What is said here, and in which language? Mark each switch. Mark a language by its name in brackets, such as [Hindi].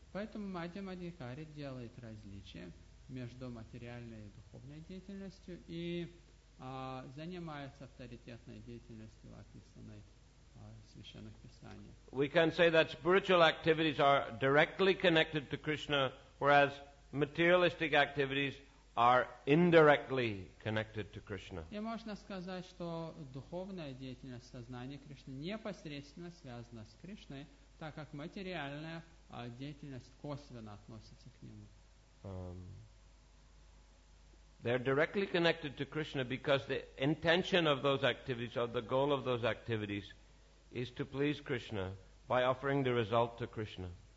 [Russian] Поэтому Мадхьямадхикари делает различие между материальной и духовной деятельностью и занимается авторитетной деятельностью, описанной в Священных Писаниях. [English] We can say that spiritual activities are directly connected to Krishna, whereas materialistic activities are indirectly connected to Krishna. [Russian] И можно сказать, что духовная деятельность сознания Кришны непосредственно связана с Кришной, так как материальная деятельность косвенно относится к нему. [English] They're directly connected to Krishna because the intention of those activities, or the goal of those activities, is to please Krishna by offering the result to Krishna.